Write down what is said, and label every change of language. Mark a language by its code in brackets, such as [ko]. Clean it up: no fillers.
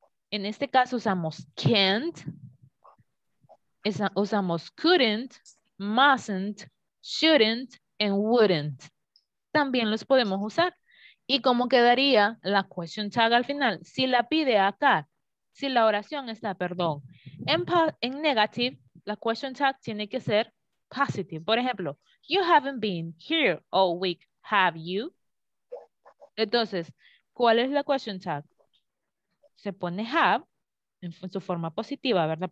[es] En este caso usamos can't, usamos couldn't, mustn't, shouldn't, and wouldn't. También los podemos usar. ¿Y cómo quedaría la question tag al final? Si la pide acá, si la oración está, perdón, en negative, la question tag tiene que ser positive. Por ejemplo, [en] you haven't been here all week, have you? [es] Entonces, ¿cuál es la question tag? Se pone have en su forma positiva, ¿verdad?